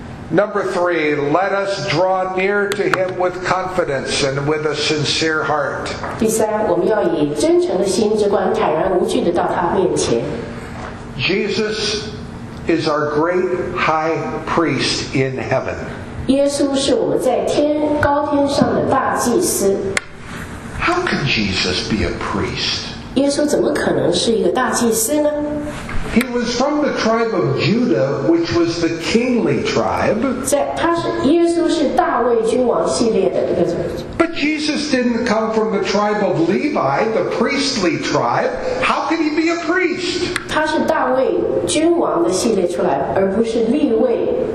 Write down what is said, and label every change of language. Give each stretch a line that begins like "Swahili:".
English: Number three, let us draw near to him with confidence and with a sincere heart. Jesus is our great high priest in heaven.
Chinese: 耶稣是我们在天高天上的大祭司。
English: How could Jesus be a priest?
Chinese: 耶稣怎么可能是一个大祭司呢？
English: He was from the tribe of Judah, which was the kingly tribe.
Chinese: 耶稣是大卫君王系列的这个。
English: But Jesus didn't come from the tribe of Levi, the priestly tribe. How could he be a priest?
Chinese: 他是大卫君王的系列出来，而不是利未。